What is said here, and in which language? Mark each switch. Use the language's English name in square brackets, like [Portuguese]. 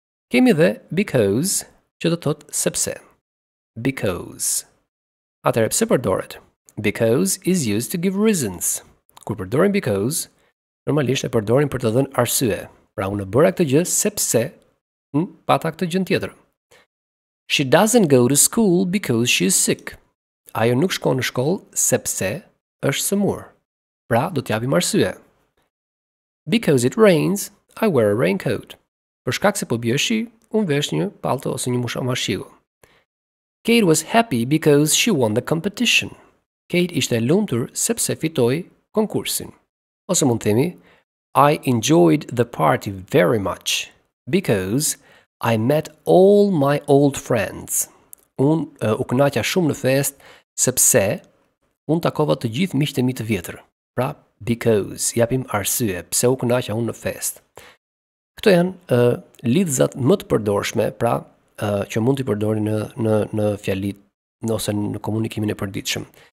[Albanian] Kemi dhe because, që do thot sepse. Because. Atëherë pse përdoret? [English] Because is used to give reasons. [Albanian] Kur përdorim because, normalisht e përdorim për të dhënë arsye. Pra unë bëra këtë gjë sepse pata këtë gjën tjetër. [English] She doesn't go to school because she is sick. [Albanian] Ajo nuk shkon në shkollë sepse është sëmur. Pra do t'japim arsye. [English] Because it rains, I wear a raincoat. [Albanian] Për shkak se po bie shi, unë vesh një palto ose një mushamashiu. [English] Kate was happy because she won the competition. [Albanian] Kate ishte e lumtur sepse fitoi konkursin. Ose mund themi, [English] I enjoyed the party very much because I met all my old friends. [Albanian] Unë u kënaqa shumë në fest sepse unë takova të gjithë miqtë e mi të vjetër. Pra, because, japim arsye, pse u kënaqa unë në fest. Këto janë lidhzat më të përdorshme, pra, që mund t'i përdori në fjalit ose në komunikimin e përditshëm.